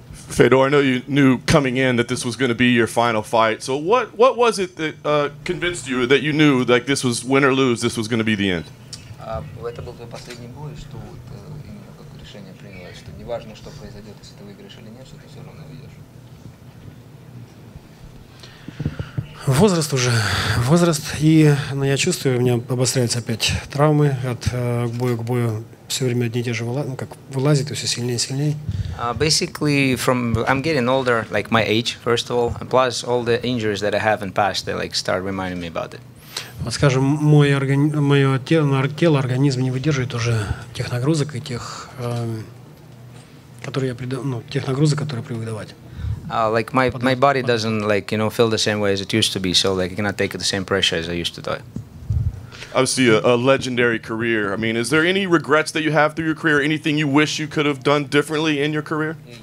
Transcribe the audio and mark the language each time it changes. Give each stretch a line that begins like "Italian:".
English: Fedor, I know you knew coming in that this was going to be your final fight. So what was it that convinced you that you knew that this was win or lose, this was going to be the end?
Russian: Это был твой последний бой, что вот именно как решение приняло, что не важно, что произойдет, если ты выиграешь или нет, что ты все равно выйдешь. Возраст уже, возраст, и ну, я чувствую, у меня обостряются опять травмы от боя к бою. Все время одни и те же вылазит, все сильнее и сильнее.
English: Basically, from I'm getting older, like my age, first of all, and plus all the injuries that I have in past, they like start reminding me about it.
Russian: Вот, скажем, мое тело, организм не выдерживает уже тех нагрузок и тех, которые я ну, тех нагрузок, которые я привык давать.
English: Like my body doesn't like, you know, feel the same way as it used to be, so like I cannot take the same pressure as I used to do. Obviously, a legendary career. I mean, is there any regrets that you have through your career? Anything you wish you could have done differently in your career?